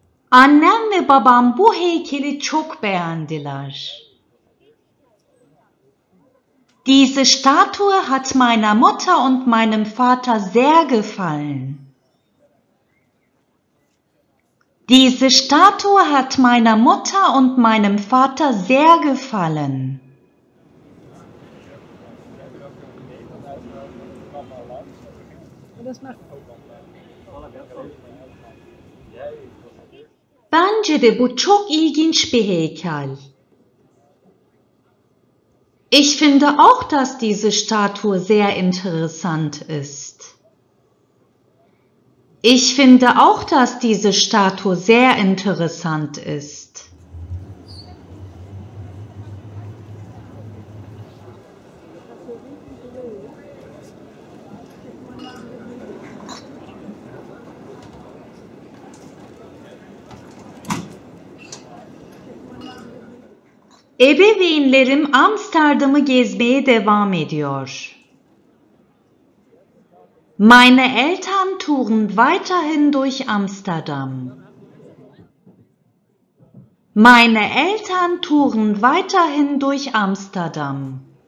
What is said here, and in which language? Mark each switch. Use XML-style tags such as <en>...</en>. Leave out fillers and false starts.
<tr>Annem ve babam bu heykeli çok beğendiler.</tr> <de>Diese Statue hat meiner Mutter und meinem Vater sehr gefallen. Diese Statue hat meiner Mutter und meinem Vater sehr gefallen.</de> <tr>Bence de bu çok ilginç bir heykel.</tr> <de>Ich finde auch, dass diese Statue sehr interessant ist. Ich finde auch, dass diese Statue sehr interessant ist.</de> <tr>Ebeveynlerim Amsterdam'ı gezmeye devam ediyor.</tr> <de>Meine Eltern touren weiterhin durch Amsterdam. Meine Eltern touren weiterhin durch Amsterdam.</de>